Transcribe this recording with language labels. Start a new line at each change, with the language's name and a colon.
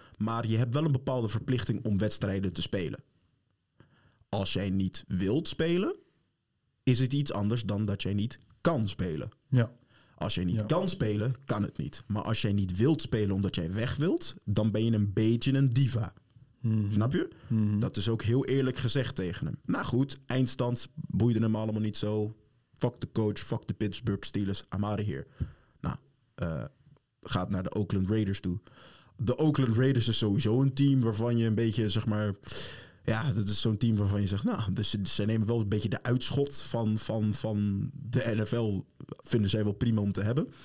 Dutch: Maar je hebt wel een bepaalde verplichting om wedstrijden te spelen. Als jij niet wilt spelen, is het iets anders dan dat jij niet kan spelen. Ja. Als jij niet kan spelen, kan het niet. Maar als jij niet wilt spelen omdat jij weg wilt, dan ben je een beetje een diva. Mm-hmm. Snap je? Mm-hmm. Dat is ook heel eerlijk gezegd tegen hem. Nou goed, eindstand boeide hem allemaal niet zo.
English: Fuck de coach, fuck de Pittsburgh Steelers, I'm out of here.
Dutch: Nou, gaat naar de Oakland Raiders toe. De Oakland Raiders is sowieso een team waarvan je een beetje, zeg maar... Ja, dat is zo'n team waarvan je zegt... Nou, dus ze nemen wel een beetje de uitschot van de NFL. Vinden zij wel prima om te hebben.